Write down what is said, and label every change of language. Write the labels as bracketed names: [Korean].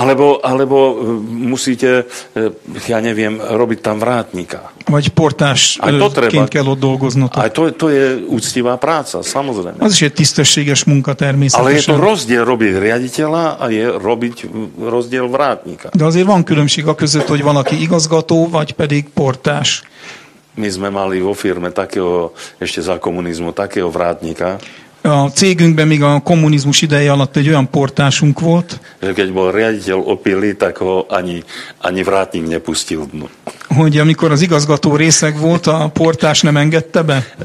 [Slovak] Alebo musíte, ja neviem, robiť tam vrátnika. [Hungarian] Vagy portásként kell ott dolgoznotok. [Slovak] Aj to je úctivá práca, samozrejme. [Hungarian] Az is egy tisztességes munka természetesen. [Slovak] Ale je to rozdiel robiť riaditeľa a je robiť rozdiel vrátnika. [Hungarian] De azért van különbség a között, hogy valaki igazgató, vagy pedig portás. [Slovak] My sme mali vo firme takého, ešte za komunizmu, takého vrátnika. [Hungarian] A cégünkben még a kommunizmus ideje alatt egy olyan portásunk volt. [Slovak] Keď bol riaditeľ opilý, tak ho ani vrátnik nepustil dnu. [Hungarian] Hogy amikor az igazgató részeg volt, a portás nem engedte be?